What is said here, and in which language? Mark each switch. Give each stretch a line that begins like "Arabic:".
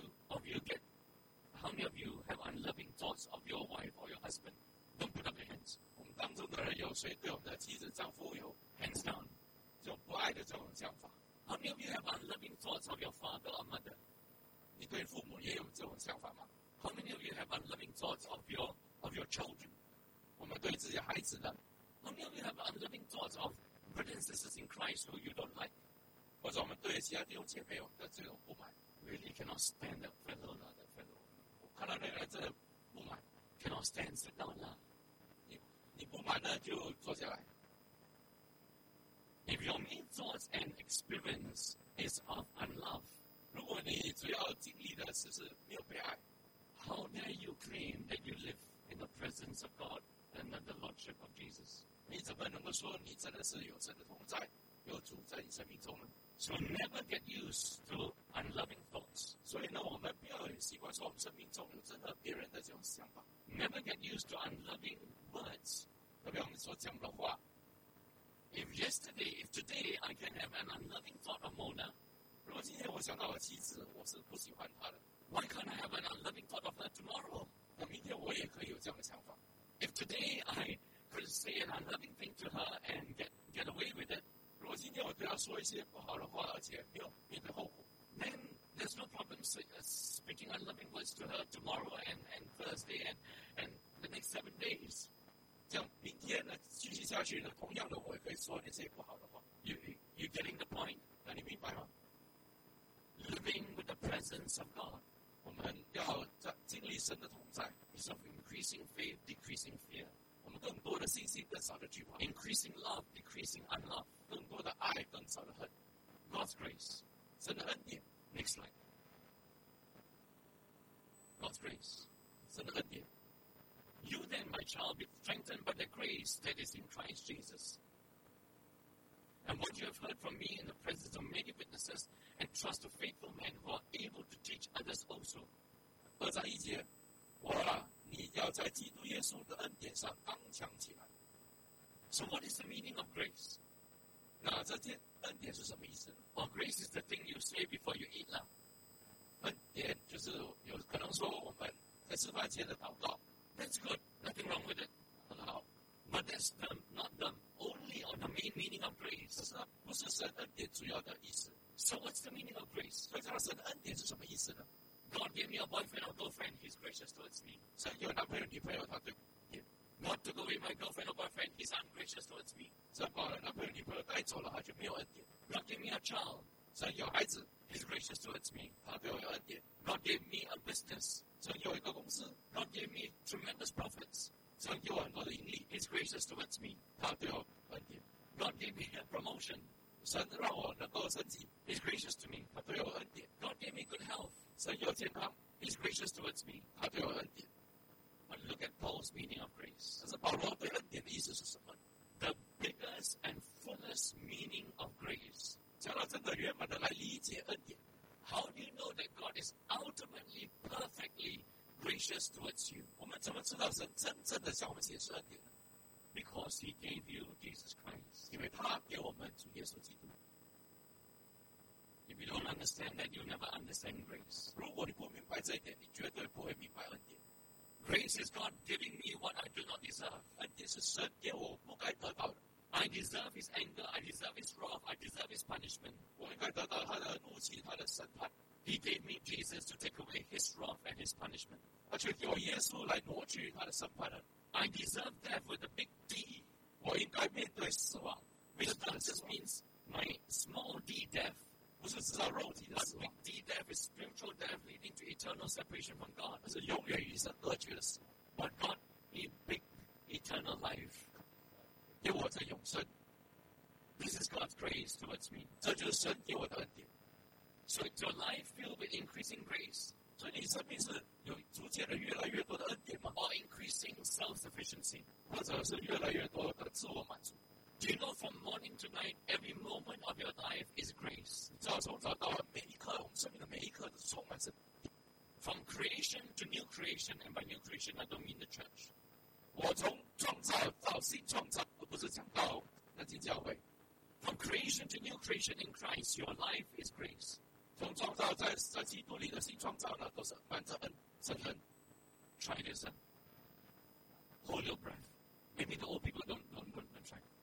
English: How many of you have unloving thoughts of your wife or your husband? Don't put up your hands.
Chinese: 我们当中的人有谁对我们的妻子、丈夫有
English: hands down
Chinese: 这种不爱的这种想法
English: ？How many of you have unloving thoughts of your father or mother?
Chinese: 你对父母也有这种想法吗？
English: How many of you have unloving thoughts of your children?
Chinese: 我们对自己孩子呢
English: How many of you have unloving thoughts of brothers and sisters in Christ who you don't like?
Chinese: 或者我们对其他弟兄姐妹的这种不满
English: Really cannot stand that fellow or that fellow.
Chinese: 我看到那个真的不满
English: cannot stand sit down 啦，
Chinese: 你不满了就坐下来。
English: If your main thoughts and experience is of unlove,
Chinese: 如果你主要经历的是没有被爱，
English: how dare you claim that you live in the presence of God and under the lordship of Jesus?
Chinese: 你怎么能够说你真的是有神的同在，有主在你生命中呢？
English: So never get used to unloving thoughts.
Chinese: 所以呢，我们不要习惯说我们生命中有真的别人的这种想法。
English: Never get used to unloving words.
Chinese: 特别我们所讲的话。
English: If yesterday, if today, I can have an unloving thought of Mona,
Chinese: 如果今天我想到我妻子，我是不喜欢她的。
English: Why can't I have an unloving thought of her tomorrow?
Chinese: 那明天我也可以有这样的想法。
English: If today I could say an unloving thing to her and get away with it,
Chinese: 如果今天我对她说一些不好的话，而且没有面对后果，
English: then there's no problem speaking unloving words to her tomorrow and Thursday and the next 7 days.
Chinese: 这样明天呢继续下去呢，同样的我也可以说那些不好的话。
English: You getting the point?
Chinese: 那你明白吗？
English: Living with the presence of God,
Chinese: 我们要经历神的同在。
English: Is of increasing faith, decreasing fear.
Chinese: 我们更多的信心，更少的惧怕。
English: Increasing love, decreasing unlove.
Chinese: 更多的爱，更少的恨。
English: God's grace,
Chinese: 神的恩典。
English: Next slide. God's grace,
Chinese: 神的恩典。
English: You then, my child, be strengthened by the grace that is in Christ Jesus. And what you have heard from me in the presence of many witnesses, and trust to faithful men who are able to teach others also.
Chinese: 二章一节，我啊，你要在基督耶稣的恩典上刚强起来。
English: So what is the meaning of grace?
Chinese: 那这件恩典是什么意思呢？
English: Well, grace is the thing you say before you eat lah.
Chinese: 恩典就是有可能说我们在吃饭前的祷告。
English: That's good. Nothing wrong with it.
Chinese: 很好。
English: But that's the, not the only or the main meaning of grace.
Chinese: 不是神恩典主要的意思。
English: So what's the meaning of grace?
Chinese: 所以这个神的恩典是什么意思呢？
English: God gave me a boyfriend or girlfriend. He's gracious towards me.
Chinese: 神有男朋友女朋友他对。
English: Yeah. God took away my girlfriend or boyfriend. He's ungracious towards me.
Chinese: 神把男朋友女朋友带走了他就没有恩典。
English: God gave me a child.
Chinese: 神有孩子。
English: He's gracious towards me.
Chinese: 他对我有恩典。
English: God gave me a business.
Chinese: 神有一个公司。
English: God gave me tremendous profits.
Chinese: 神给我很多的盈利。
English: He's gracious towards me.
Chinese: 他对我恩典。
English: God gave me a promotion.
Chinese: 神让我能够升级。
English: He's gracious to me.
Chinese: 他对我恩典。
English: God gave me good health.
Chinese: 神有健康。
English: He's gracious towards me.
Chinese: 他对我恩典。
English: But look at Paul's meaning of grace.
Chinese: 但是保罗对恩典的意思是什么？
English: The biggest and fullest meaning of grace.
Chinese: 将来真的圆满的来理解恩典。
English: How do you know that God is ultimately, perfectly gracious towards you?
Chinese: 我们怎么知道神真正的向我们显示恩典呢？
English: Because He gave you Jesus Christ.
Chinese: 因为他给我们主耶稣基督。
English: If you don't understand that, you'll never understand grace.
Chinese: 如果你不明白这一点，你绝对不会明白恩典。
English: Grace is God giving me what I do not deserve.
Chinese: 恩典是神给我不该得到的。
English: I deserve His anger. I deserve His wrath. I deserve His punishment.
Chinese: 我应该得到他的怒气，他的审判。
English: He gave me Jesus to take away His wrath and His punishment.
Chinese: 他却给我耶稣来挪去他的审判了。
English: I deserve death with a big D.
Chinese: 我应该面对死亡。
English: Because that just means my small D death.
Chinese: 不是只是肉体的死亡。
English: Big D death is spiritual death leading to eternal separation from God.
Chinese: 是永远与神隔绝的死亡。
English: But God gave big eternal life.
Chinese: 给我这永生。
English: This is God's grace towards me.
Chinese: 这就是神给我的恩典。
English: So is your life filled with increasing grace?
Chinese: 所以你生命是有逐渐的越来越多的恩典吗？
English: Or increasing self-sufficiency?
Chinese: 或者是越来越多的自我满足？
English: Do you know from morning to night, every moment of your life is grace?
Chinese: 你知道从早到晚每一刻，我们生命的每一刻都是充满神。
English: From creation to new creation, and by new creation, I don't mean the church.
Chinese: 我从创造到新创造，而不是讲到那间教会。
English: From creation to new creation in Christ, your life is grace.
Chinese: 从创造在基督里的新创造呢，都是满着恩，神恩。
English: Try this. Hold your breath. Maybe the old people don't try.